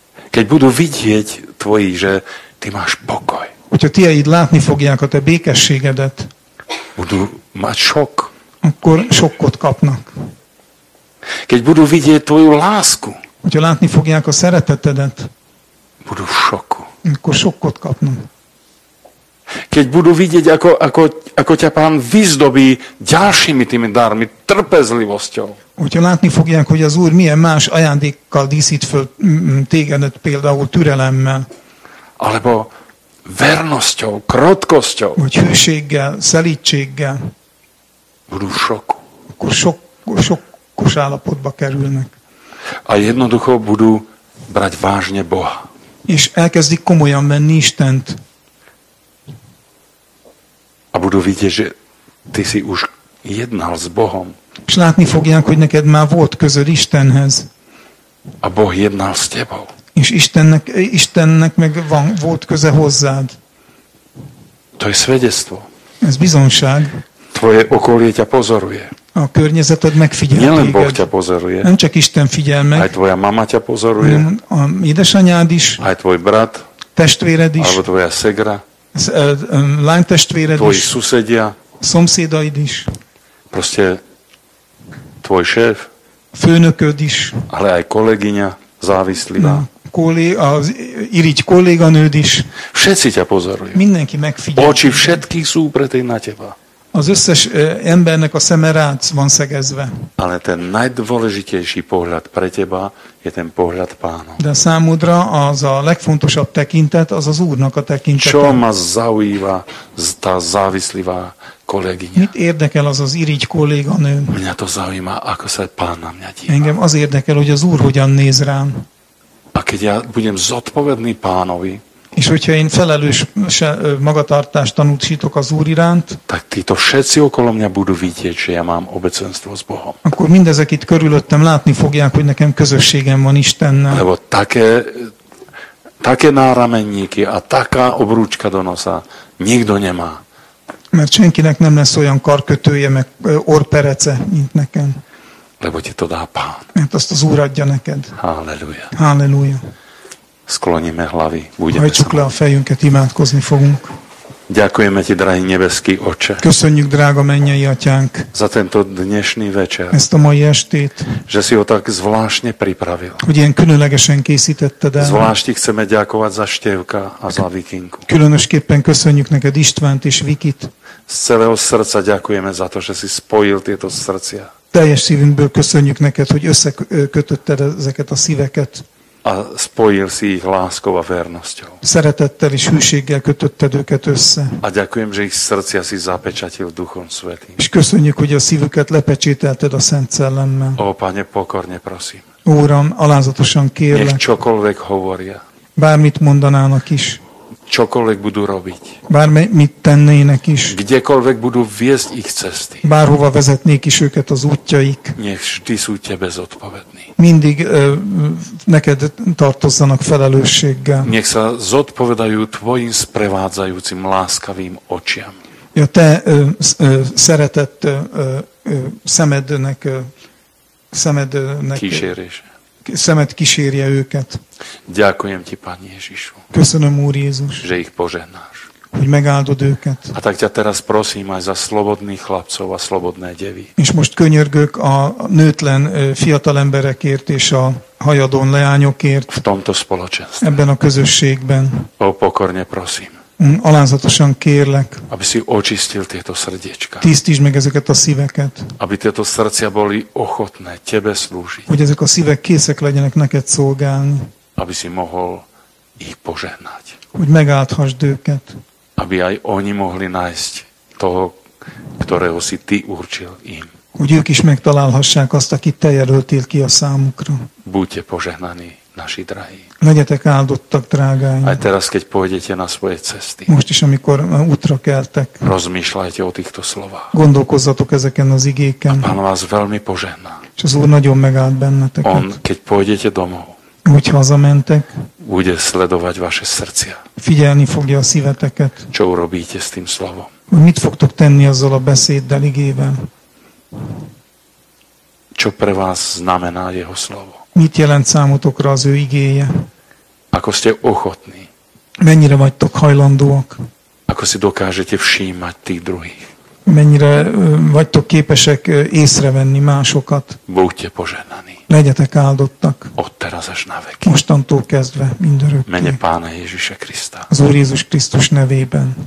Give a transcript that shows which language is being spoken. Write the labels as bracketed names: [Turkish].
[Slovak] Keď budú vidieť tvojí, že ty máš pokoj. [Hungarian] Hogyha tiéd látni fogják a te békességedet. [Slovak] Budú mať šok. [Hungarian] Akkor sokkot kapnak. [Slovak] Keď budú vidieť tvoju lásku. [Hungarian] Hogyha látni fogják a szeretetedet. [Slovak] Budú v šoku. [Hungarian] Akkor sokkot kapnak. [Slovak] Keď budú vidieť, ako ťa Pán vyzdobí ďalšími tými dármi, trpezlivosťou. [Hungarian] Hogyha látni fogják, hogy az Úr milyen más ajándékkal díszít föl tégedet, például türelemmel. [Slovak] Alebo vernosťou, krotkosťou. [Hungarian] Vagy hűséggel, szelítséggel. [Slovak] Budú v šoku. [Hungarian] Akkor sokkos állapotba kerülnek. [Slovak] A jednoducho budú brať vážne Boha. [Hungarian] És elkezdik komolyan menni Istent. [Slovak] A budú vidieť, že ty si už jednal s Bohom. [Hungarian] És látni fogják, hogy neked már volt közöd Istenhez. [Slovak] A Boh jednal s tebou. [Hungarian] És Istennek meg van, volt köze hozzád. [Slovak] To je svedectvo. [Hungarian] Ez bizonyság. [Slovak] Tvoje okolie ťa pozoruje. [Hungarian] A környezeted megfigyel téged. [Slovak] Nielen Boh ťa pozoruje. [Hungarian] Nem csak Isten figyel meg. [Slovak] Aj tvoja mama ťa pozoruje. [Hungarian] A édesanyád is. [Slovak] Aj tvoj brat. [Hungarian] Testvéred is. [Slovak] Alebo tvoja szegra. [Hungarian] Lánytestvéred is. [Slovak] Tvoji szusedia. [Hungarian] Szomszédaid is. [Slovak] Proste tvoj šéf. [Hungarian] Főnököd is. [Slovak] Ale aj kolegyňa závislivá. [Hungarian] Irigy kolléganőd is. [Slovak] Všetci ťa pozorujú. [Hungarian] Mindenki megfigyel. [Slovak] Oči všetkých sú upretej na teba. [Hungarian] Az összes embernek a szeme rád van szegezve. [Slovak] Ale ten najdôležitejší pohľad pre teba je ten pohľad Pána. [Hungarian] De számodra az a legfontosabb tekintet, az az Úrnak a tekintete. [Slovak] Čo ma zaujíva tá závislivá kolegyňa? [Hungarian] Mit érdekel az az irigy kolléganő? [Slovak] Mňa to zaujíma, ako sa Pán na mňa díva. [Hungarian] Engem az érdekel, hogy az Úr hogyan néz rám. [Slovak] A keď ja budem zodpovedný Pánovi, [Hungarian] és hogyha én felelős magatartást tanúsítok az Úr iránt, [Slovak] tak títo všetci okolo mňa budú vidieť, že ja mám obecenstvo s Bohom. [Hungarian] Akkor mindezek itt körülöttem látni fogják, hogy nekem közösségem van Istennel. [Slovak] Lebo také nárameníky a taká obrúčka do nosa nikto nemá. [Hungarian] Mert senkinek nem lesz olyan karkötője, meg orperece, mint nekem. [Slovak] Lebo ti to dá Pán. [Hungarian] Mert azt az Úr adja neked. [Slovak] Halleluja. [Hungarian] Halleluja. [Slovak] Skloníme hlavy, budeme [Hungarian] Hajcukle a fejunket, imádkozni fogunk. [Slovak] Ďakujeme ti, drahý nebeský Oče. [Hungarian] Köszönjük, drága mennyei atyánk. [Slovak] Za tento dnešný večer. [Hungarian] Ezt a mai estét. [Slovak] Že si ho tak zvláštne pripravil. [Hungarian] Hogy ilyen különlegesen készítetted el. [Slovak] Zvláštne chceme ďakovať za Števka a za Vikinku. [Hungarian] Különösképpen köszönjük neked Istvánt és Vikit. [Slovak] Z celého srdca ďakujeme za to, že si spojil tieto srdcia. [Hungarian] Teljes szívünkből köszönjük neked, hogy összekötötted ezeket a szíveket. [Slovak] A spojil si ich láskou a vernosťou. [Hungarian] Szeretettel és hűséggel kötötted őket össze. [Slovak] A ďakujem, že ich srdcia si zapečatil Duchom Svätým. [Hungarian] És köszönjük, hogy a szívüket lepecsételted a Szent Szellemmel. [Slovak] Ó, Pane, pokorne prosím. [Hungarian] Úram, alázatosan kérlek. [Slovak] Nech čokoľvek hovoria. [Hungarian] Bármit mondanának is. [Slovak] čokoľvek budú robiť. [Hungarian] Bár mi tennének is. [Slovak] Kdekoľvek budú viesť ich cesty. [Hungarian] Bárhova vezetnék is őket az útjaik. [Slovak] Nech vždy sú tebe zodpovední. [Hungarian] Mindig neked tartozzanak felelősséggel. [Slovak] Nech sa zodpovedajú tvojim sprevádzajúcim láskavým očiam. [Hungarian] Ja, te szeretett szemednek szemed kísérje őket. [Slovak] Ďakujem ti, Pán Ježišu. [Hungarian] Köszönöm, Úr Jézus, [Slovak] že ich požehnáš. [Hungarian] Hogy megáldod őket. [Slovak] A tak ťa teraz prosím aj za slobodných chlapcov a slobodné devy. [Hungarian] És most könyörgök a nőtlen fiatal emberekért és a hajadon leányokért. [Slovak] V tomto spoločenstve. [Hungarian] Ebben a közösségben. [Slovak] Ó, pokorne prosím. [Hungarian] Alázatosan kérlek, [Slovak] aby si očistil tieto srdiečka. [Hungarian] Tisztíts meg ezeket a szíveket. [Slovak] Aby tieto srdcia boli ochotné tebe slúžiť. [Hungarian] Hogy ezek a szívek készek legyenek neked szolgálni. [Slovak] Aby si mohol ich požehnať. [Hungarian] Hogy megáldhassd őket. [Slovak] Aby aj oni mohli nájsť toho, ktorého si ty určil im. [Hungarian] Hogy ők is megtalálhassák azt, akit te jelöltél ki a számukra. [Slovak] Buďte požehnaní, naši drahí. [Hungarian] Legyetek áldottak, drágáim. [Slovak] Aj teraz, keď pôjdete na svoje cesty. [Hungarian] Most is, amikor útra keltek. [Slovak] Rozmýšľajte o týchto slovách. [Hungarian] Gondolkozzatok ezeken az igéken. [Slovak] A Pán vás veľmi požehná. [Hungarian] És az Úr nagyon megáld benneteket. [Slovak] On, keď pôjdete domov. [Hungarian] Úgy hazamentek. [Slovak] Bude sledovať vaše srdcia. [Hungarian] Figyelni fogja a szíveteket. [Slovak] Čo urobíte s tým slovom. [Hungarian] Mit fogtok tenni azzal a beszéddel, igével. [Slovak] Čo pre vás znamená jeho slovo. [Hungarian] Mit jelent számotokra az ő igéje? [Slovak] Ako ste ochotní? [Hungarian] Mennyire vagytok hajlandóak? [Slovak] Ako si dokážete všímať tých druhých? [Hungarian] Mennyire vagytok képesek észrevenni másokat? [Slovak] Buďte požehnaní. [Hungarian] Legyetek áldottak. [Slovak] Od teraz až na veky. [Hungarian] Mostantól kezdve mindörökké. [Slovak] Mene Pána Ježíše Krista. [Hungarian] Az Úr Jézus Krisztus nevében.